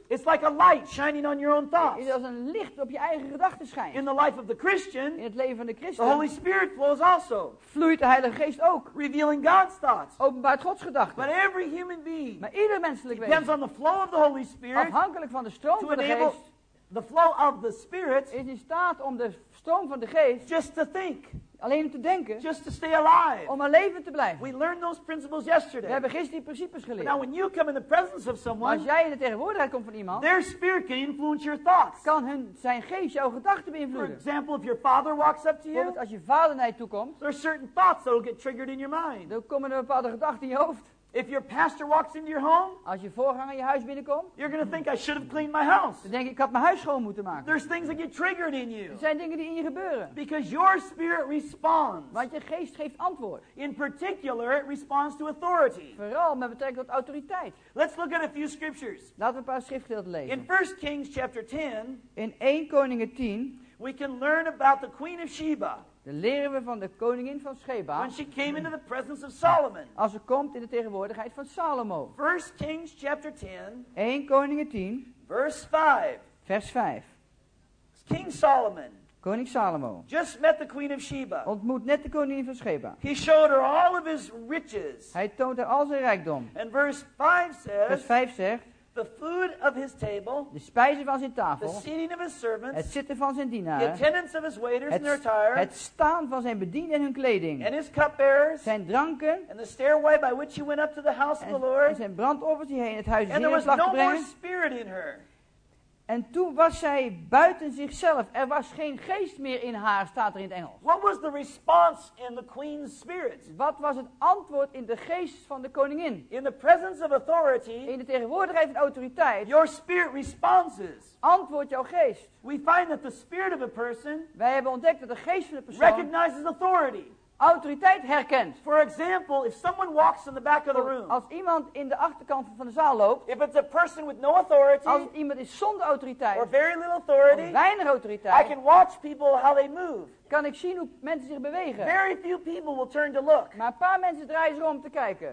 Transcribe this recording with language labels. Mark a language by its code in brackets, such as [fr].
[en] it's like a light shining on your own thoughts. [nl] Is als een licht op je eigen gedachten schijnt. [en] In the life of the Christian, [nl] in het leven van de christen, [en] the Holy Spirit flows also. [nl] Vloeit de Heilige Geest ook, [en] revealing God's thoughts. [nl] Openbaart Gods gedachten. [en] But every human being, [nl] maar ieder menselijk wezen, [en] depends on the flow of the Holy Spirit, [nl] afhankelijk van de stroom van de geest. [en] The flow of the spirit [nl] is in staat om de stroom van de geest [en] just to think. [nl] Alleen om te denken. [en] Just to stay alive. [nl] Om maar levend te blijven. [en] We learned those principles yesterday. [nl] We hebben gisteren die principes geleerd. [en] But now when you come in the presence of someone, [nl] als jij in de tegenwoordigheid komt van iemand, [en] their spirit can influence your thoughts. [nl] Kan hun zijn geest jouw gedachten beïnvloeden. [en] For example, if your father walks up to you, [nl] bijvoorbeeld als je vader naar je toe komt, [en] there are certain thoughts that will get triggered in your mind. [nl] Dan komen er bepaalde gedachten in je hoofd. [en] If your pastor walks into your home, [nl] als je voorganger je huis binnenkomt, [en] you're going to think I should have cleaned my house. [nl] Dan denk ik, ik had mijn huis schoon moeten maken. [en] There's things that get triggered in you. [nl] Er zijn dingen die in je gebeuren. [en] Because your spirit responds. [nl] Want je geest geeft antwoord. [en] In particular, it responds to authority. [nl] Vooral met betrekking tot autoriteit. [en] Let's look at a few scriptures. [nl] Laten we een paar schriftgedeelten lezen. [en] In 1 Kings chapter 10, [nl] in 1 Koningen 10, [en] we can learn about the Queen of Sheba. [nl] Dan leren we van de koningin van Sheba. [en] When she came into the presence of Solomon. [nl] Als ze komt in de tegenwoordigheid van Salomo. [en] 1 Kings chapter 10. [nl] 1 Koningen 10. [en] Verse 5. [nl] Vers 5. [en] King Solomon. [nl] Koning Salomo. [en] Just met the Queen of Sheba. [nl] Ontmoet net de koningin van Sheba. [en] He showed her all of his riches. [nl] Hij toont haar al zijn rijkdom. [en] And verse 5 says. [nl] Vers 5 zegt. [en] The food of his table, [nl] de spijzen van zijn tafel, [en] the seating of his servants, [nl] het zitten van zijn dienaren, [en] the attendance of his waiters and their attire, [nl] het staan van zijn bedienden en hun kleding, [en] and his cupbearers, [nl] zijn dranken, [en] and the stairway by which he went up to the house of the Lord, [nl] en zijn brandoffers die hij in het huis zeer placht te brengen. [en] And there was no more spirit in her. [nl] En toen was zij buiten zichzelf. Er was geen geest meer in haar, staat er in het Engels. [en] What was the response in the queen's spirit? [nl] Wat was het antwoord in de geest van de koningin? [en] In the presence of authority, [nl] in de tegenwoordigheid van autoriteit. [en] Your spirit responses. [nl] Antwoord jouw geest. [en] We find that the spirit of a person, [nl] wij hebben ontdekt dat de geest van de persoon [en] recognizes authority. [nl] autoriteit herkent. [en] For example, if someone walks in the back of the room. [nl] Als iemand in de achterkant van de zaal loopt. [en] If it's a person with no authority. [nl] Als het iemand is zonder autoriteit. [en] Or very little authority. [nl] Of weinig autoriteit. [en] I can watch people how they move. [nl] Kan ik zien hoe mensen zich bewegen. [en] Very few people will turn to look. [nl] Maar een paar mensen draaien zich om te kijken.